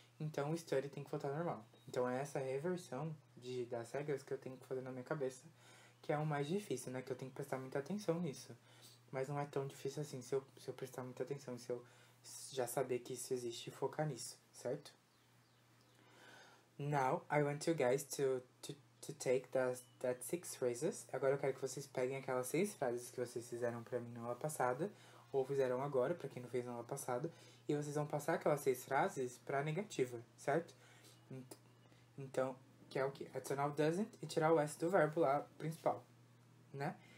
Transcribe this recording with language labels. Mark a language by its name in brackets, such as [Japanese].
[Portuguese] Então, o Story tem que voltar ao normal. Então, é essa reversão das regras que eu tenho que fazer na minha cabeça, que é o mais difícil, né? Que eu tenho que prestar muita atenção nisso. Mas não é tão difícil assim se eu prestar muita atenção, se eu já saber que isso existe e focar nisso, certo? [English] Now, I want you guys to take that six phrases. [Portuguese] Agora eu quero que vocês peguem aquelas seis frases que vocês fizeram pra mim na aula passada, ou fizeram agora, pra quem não fez na aula passada, e vocês vão passar aquelas seis frases pra negativa, certo? Então, que é o quê? Adicionar o doesn't e tirar o S do verbo lá, principal, né?